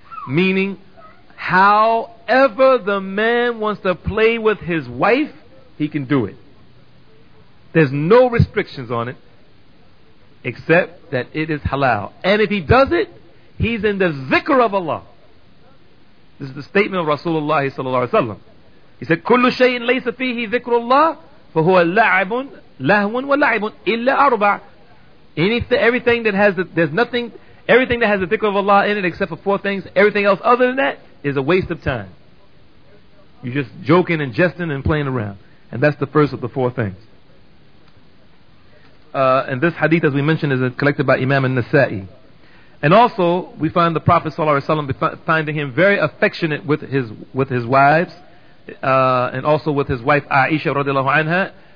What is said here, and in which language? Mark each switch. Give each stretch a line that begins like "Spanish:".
English: Meaning, however the man wants to play with his wife, he can do it. There's no restrictions on it, except that it is halal. And if he does it, he's in the zikr of Allah. This is the statement of Rasulullah sallallahu alaihi wasallam. He said,
Arabic: كُلُّ شَيْءٍ لَيْسَ فِيهِ ذِكْرُ اللَّهِ فَهُوَ لَعَبٌ لَهْوٌ وَلَعِبٌ إِلَّا أَرْبَعٌ.
English: Everything that has the dhikr of Allah in it except for four things, everything else other than that is a waste of time. You're just joking and jesting and playing around. And that's the first of the four things. And this hadith, as we mentioned, is collected by Imam al-Nasa'i. And also, we find the Prophet ﷺ finding him very affectionate with his wives, and also with his wife Aisha radiallahu anha.